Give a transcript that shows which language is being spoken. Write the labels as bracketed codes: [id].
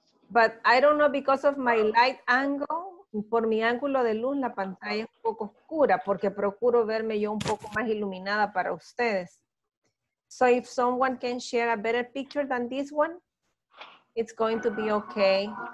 [en] But I don't know because of my light angle. [es] Por mi ángulo de luz, la pantalla es un poco oscura porque procuro verme yo un poco más iluminada para ustedes. [en] So if someone can share a better picture than this one, it's going to be okay.